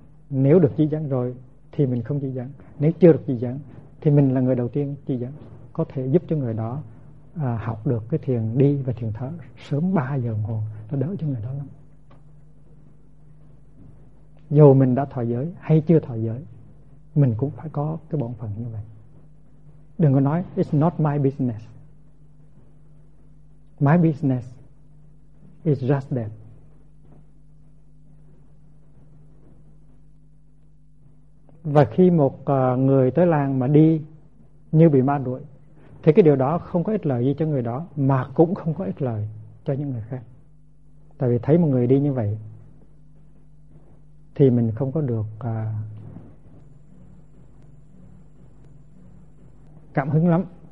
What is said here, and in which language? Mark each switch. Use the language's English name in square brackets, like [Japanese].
[Vietnamese] Nếu được chỉ dẫn rồi thì mình không chỉ dẫn, nếu chưa được chỉ dẫn thì mình là người đầu tiên chỉ dẫn, có thể giúp cho người đó học được cái thiền đi và thiền thở sớm 3 giờ đồng hồ, nó đỡ cho người đó lắm. Dù mình đã thọ giới hay chưa thọ giới, mình cũng phải có cái bổn phận như vậy. Đừng có nói [English] it's not my business. My business is just that. [Vietnamese] Và khi một người tới làng mà đi như bị ma đuổi thì cái điều đó không có ích lợi gì cho người đó, mà cũng không có ích lợi cho những người khác. Tại vì thấy một người đi như vậy thì mình không có được cảm hứng lắm.